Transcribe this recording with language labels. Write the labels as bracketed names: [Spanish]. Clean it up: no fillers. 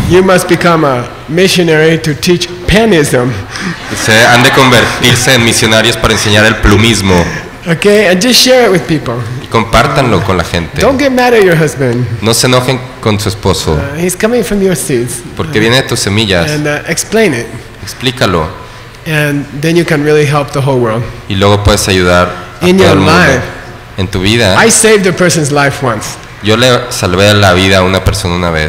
[English] You must become a missionary to teach panism. [Spanish] Se han de convertirse en misionarios para enseñar el plumismo. [English] Okay, and just share it with people. [Spanish] Compártanlo con la gente. [English] Don't get mad at your husband. [Spanish] No se enojen con su esposo. [English] He's coming from your seeds. [Spanish] Porque viene de tus semillas. [English] And explain it. [Spanish] Explícalo. [English] And then you can really help the whole world. [Spanish] Y luego puedes ayudar a todo el mundo. En tu vida. [English] I saved a person's life once. [Spanish] Yo le salvé la vida a una persona una vez.